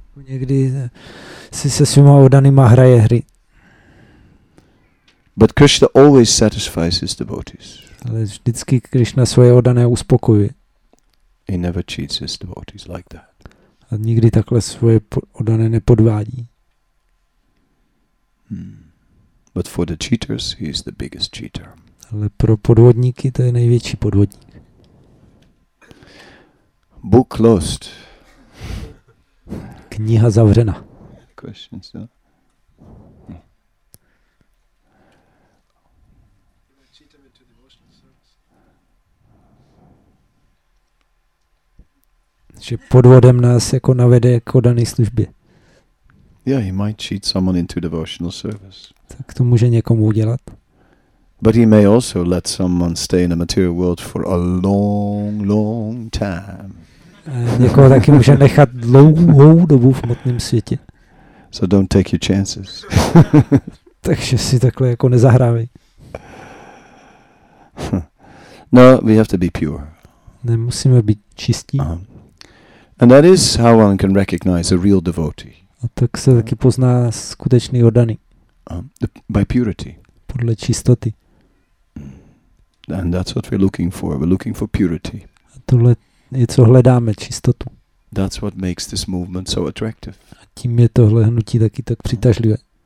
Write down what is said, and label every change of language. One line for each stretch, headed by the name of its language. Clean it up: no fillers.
Czech: Někdy si se svýma oddanýma hraje hry.
English: But Krishna always satisfies his devotees.
Czech: Ale vždycky Krishna svoje oddané uspokojuje.
English: He never cheats his devotees like that.
Czech: A nikdy takhle svoje oddané nepodvádí.
English: But for the cheaters, he is the biggest cheater.
Czech: Ale pro podvodníky to je největší podvodník.
English: Book closed.
Czech: Kniha zavřena.
English: Questions, no?
Czech: Že podvodem nás jako navede k oddané službě.
English: Yeah, he might cheat someone into devotional service.
Czech: Tak to může někomu udělat.
English: But he may also let someone stay in the material world for a long, long time.
Czech: Někoho taky může nechat dlouhou dobu v hmotném světě.
English: So don't take your chances.
Czech: Takže si takhle jako nezahrávej.
English: No, we have to be pure.
Czech: Nemusíme být čistí.
English: And that is how one can recognize a real devotee.
Czech: A tak se taky pozná skutečný oddaný.
English: By purity.
Czech: Podle čistoty.
English: And that's what we're looking for. We're looking for purity.
Czech: A tohle je, co hledáme, čistotu.
English: That's what makes this movement so attractive.
Czech: A tím je tohle hnutí taky tak přitažlivé.